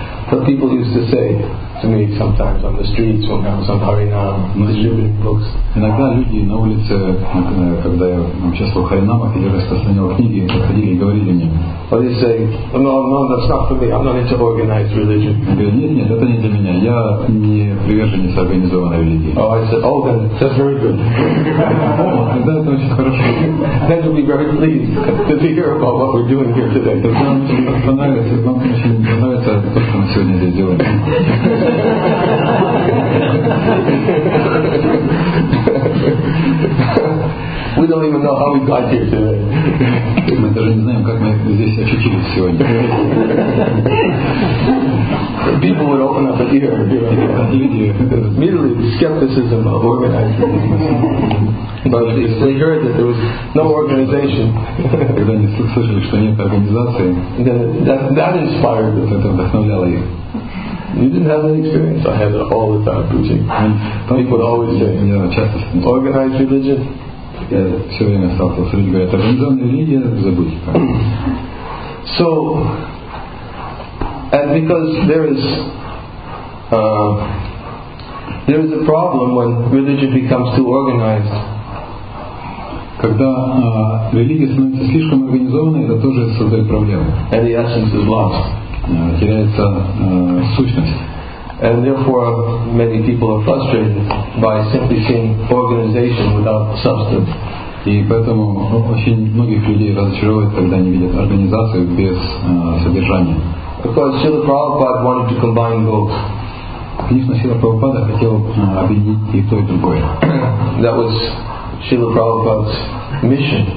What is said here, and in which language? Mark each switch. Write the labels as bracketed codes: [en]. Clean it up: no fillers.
[en] But people used to say to me sometimes on the streets when I was on Харинам distributing books. [ru] Иногда люди на улице, когда я участвовал в Харинамах или распространял книги, подходили и говорили мне. [en] But they say, no, that's not for me. I'm not into organized religion. [ru] Я говорю, нет, это не для меня. Я не приверженец организованной религии. [en] Oh, I said, oh, then that's very good. [ru] Тогда это очень хорошо. [en] Then you'll be very pleased to hear about what we're doing here today. [ru] Тогда вам очень понравится, то, что мы сегодня здесь делаем. [en] We don't even know how we got here today. [ru] Мы даже не знаем, как мы здесь очутились сегодня. [en] People would open up an ear, you know. Immediately, skepticism of organizing. But they heard that there was no organization. [ru] Когда они слышали, что нет организации, [en] that inspired them. [ru] Это вдохновляло их. [en] You didn't have that experience. I had it all the time preaching. People would always say, organized religion. [ru] Я все время сталкивался с людьми, говорят, организованная религия, забудьте. [en] So, and because there is a problem when religion becomes too organized. [ru] Когда религия становится слишком организованной, это тоже создает проблему. [en] And the essence is lost. [ru] Теряется сущность. [en] And therefore, many people are frustrated by simply seeing organization without substance. [ru] И поэтому очень многих людей разочаровывает, когда они видят организацию без содержания. [en] Because Srila Prabhupada wanted to combine both. [ru] Конечно, Srila Prabhupada хотел объединить и то, и другое. [en] That was Srila Prabhupada's mission.